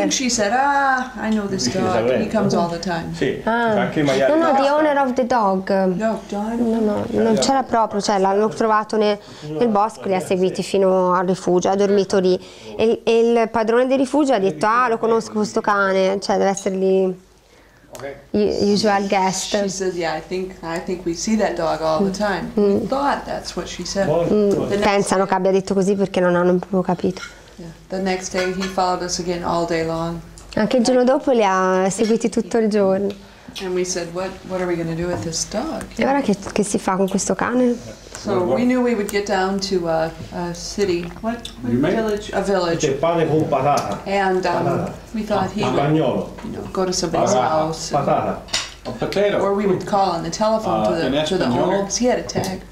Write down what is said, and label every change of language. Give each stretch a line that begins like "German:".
English: I think she said, ah, I know this dog, and he comes all the time.
Italian: Sì, ah. Anche i maiali.
English: No, no, the owner of the dog. No, John.
Italian: No, no, non c'era proprio, cioè l'hanno trovato nel bosco, li ha seguiti fino al rifugio, ha dormito lì. E il padrone del rifugio ha detto, ah, lo conosco questo cane, cioè deve essere lì,
English: usual guest. She said, yeah, I think we see that dog all the time. Mm. We thought that's what she said. Mm.
Italian: Pensano che abbia detto così perché non hanno proprio capito.
English: The next day he followed us again all day long.
Italian: Anche il giorno dopo li ha seguiti tutto il giorno.
English: And we said, what are we going to do with this dog?
Italian: E ora che si fa con questo cane?
English: So we knew we would get down to a city. What village? A village.
Italian: C'è pane con patata.
English: And we thought he would, you know, go to somebody's house.
Italian: Patata.
English: A potato. Or we would call on the telephone to the home, because he had a tag.